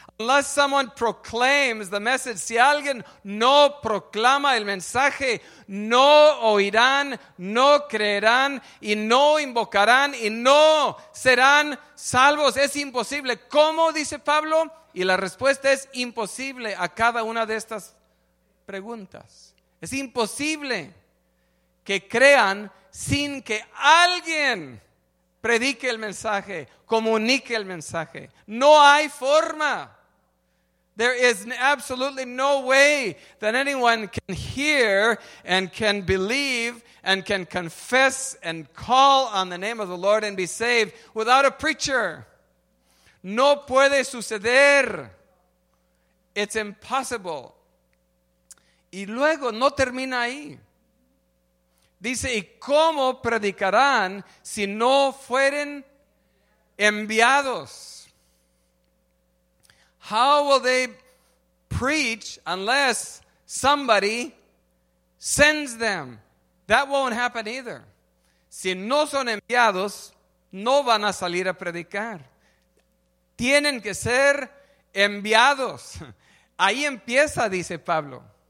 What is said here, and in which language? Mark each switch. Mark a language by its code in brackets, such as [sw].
[en] Unless someone proclaims the message. [es] Si alguien no proclama el mensaje, no oirán, no creerán, y no invocarán, y no serán salvos. Es imposible. ¿Cómo? Dice Pablo. Y la respuesta es imposible a cada una de estas preguntas. Es imposible que crean sin que alguien predique el mensaje, comunique el mensaje. No hay forma. [en] There is absolutely no way that anyone can hear and can believe and can confess and call on the name of the Lord and be saved without a preacher. [es] No puede suceder. [en] It's impossible. [es] Y luego no termina ahí. Dice, ¿y cómo predicarán si no fueren enviados? [en] How will they preach unless somebody sends them? That won't happen either. [es] Si no son enviados, no van a salir a predicar. Tienen que ser enviados. Ahí empieza, dice Pablo.